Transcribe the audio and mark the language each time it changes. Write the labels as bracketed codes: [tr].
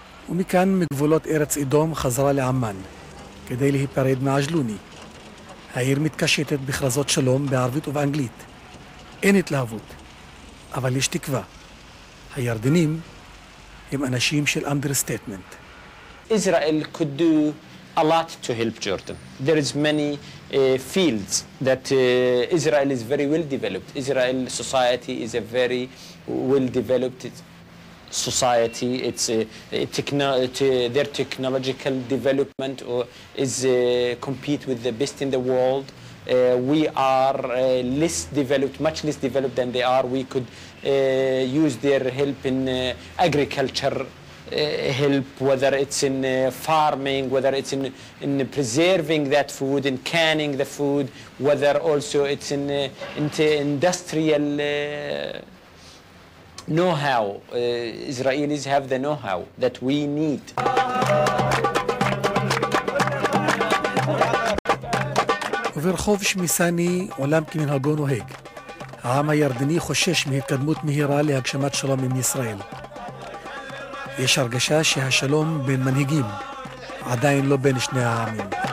[he] ומכאן מגבולות ארץ אדום חזרה לעמאן כדי להיפרד מעג'לוני. העיר מתקשטת בכרזות שלום בערבית ובאנגלית. אין התלהבות, אבל יש תקווה. הירדנים הם אנשים של אנדרסטייטמנט. [en] Israel could do a lot to help Jordan. There is many fields that Israel is very well developed. Israel society is a very well developed society. It's their technological development is compete with the best in the world. We are less developed, much less developed than they are. We could use their help in agriculture, help whether it's in farming, whether it's in preserving that food, in canning the food, whether also it's in into industrial know-how. Israelis have the know-how that we need. [he] וברחוב שמיסני עולם כמנהגו נוהג. העם הירדני חושש מהתקדמות מהירה להגשמת שלום עם ישראל. יש הרגשה שהשלום בין מנהיגים עדיין לא בין שני העמים.